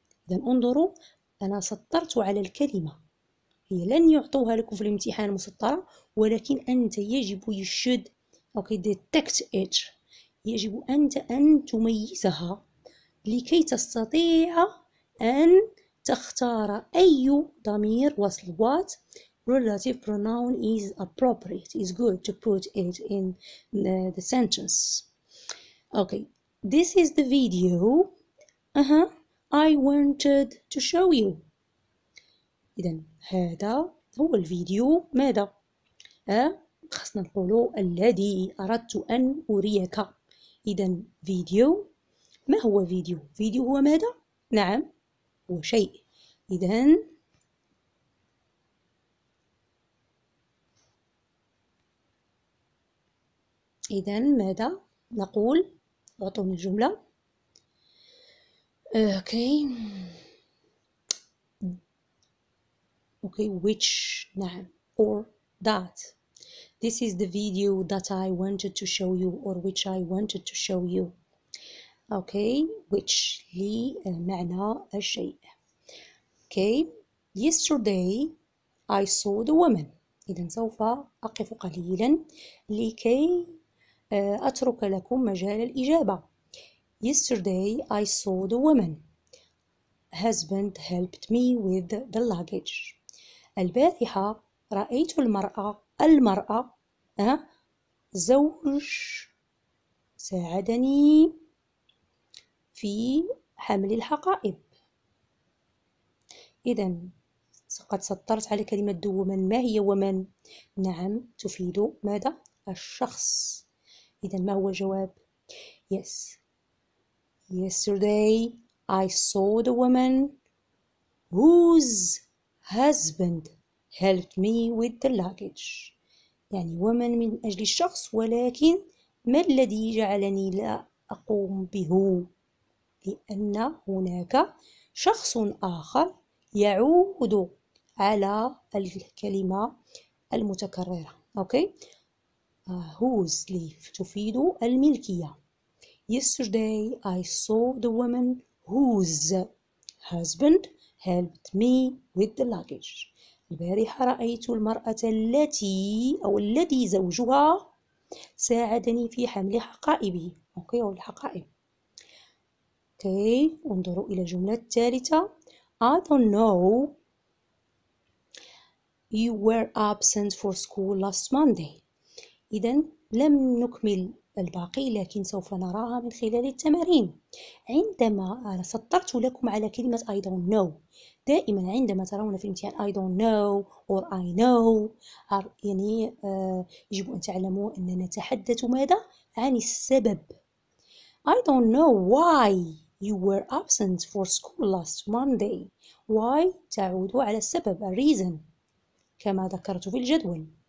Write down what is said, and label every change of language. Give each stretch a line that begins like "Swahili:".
Arabic: إذن انظروا، أنا سطرت على الكلمة، هي لن يعطوها لكم في الامتحان مسطرة، ولكن أنت يجب يشد
English: okay, detect it.
Arabic: يجب أنت أن تميزها لكي تستطيع أن تختار أي ضمير وصل.
English: What relative pronoun is appropriate, is good to put it in the sentence. Okay, this is the video I wanted to show you.
Arabic: إذن هذا هو الفيديو. ماذا؟ خصنا نقوله الذي أردت أن أريك. إذن فيديو، ما هو فيديو؟ فيديو هو ماذا؟ نعم، هو شيء. إذن ماذا نقول؟ أعطوني الجملة.
English: Okay, which, نعم, or that. This is the video that I wanted to show you, or which I wanted to show you. Okay, which,
Arabic: لي معنى الشيء.
English: Okay, yesterday I saw the woman.
Arabic: إذن سوف أقف قليلا لكي أترك لكم مجال الإجابة.
English: Yesterday I saw the woman. Husband helped me with the luggage.
Arabic: البارحة رأيت المرأة زوج ساعدني في حمل الحقائب. إذن قد سطرت على كلمة دو ومن، ما هي ومن؟ نعم، تفيد ماذا؟ الشخص. إذن ما هو الجواب؟ Yes.
English: Yesterday I saw the woman whose husband helped me with the luggage.
Arabic: يعني woman من أجل الشخص، ولكن ما الذي جعلني لا أقوم به؟ لأن هناك شخص آخر يعود على الكلمة المتكررة.
English: Okay. Whose leaf
Arabic: تفيد الملكية.
English: Yesterday I saw the woman whose husband helped me with the luggage.
Arabic: البارحة رأيت المرأة التي أو الذي زوجها ساعدني في حمل حقائبي. أوكي، أو الحقائب. أوكي، انظروا إلى الجملة الثالثة.
English: I don't know you were absent for school last Monday.
Arabic: إذن لم نكمل الباقي، لكن سوف نراها من خلال التمارين. عندما سطرت لكم على كلمة
English: I don't know،
Arabic: دائما عندما ترون في الامتحان
English: I don't know or I know،
Arabic: يعني يجب أن تعلموا أننا نتحدث ماذا؟ عن السبب.
English: I don't know why you were absent for school last Monday.
Arabic: Why تعود على السبب،
English: a reason،
Arabic: كما ذكرت في الجدول.